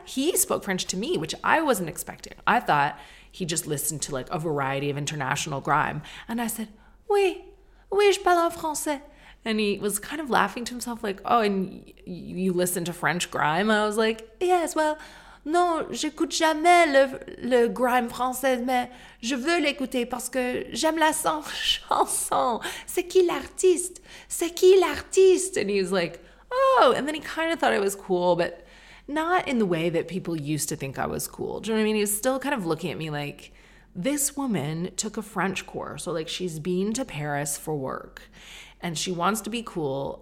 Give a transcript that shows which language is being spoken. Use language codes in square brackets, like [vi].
[en] He spoke French to me, which I wasn't expecting. I thought he just listened to like a variety of international grime. And I said, [fr] oui, je parle en français. [en] And he was kind of laughing to himself like, oh, and you listen to French grime? I was like, yes, well, [fr] non, j'écoute jamais le grime français, mais je veux l'écouter parce que j'aime la chanson. C'est qui l'artiste? C'est qui l'artiste? [en] And he was like, oh, and then he kind of thought I was cool, but not in the way that people used to think I was cool. Do you know what I mean? He was still kind of looking at me like, this woman took a French course, or like she's been to Paris for work and she wants to be cool.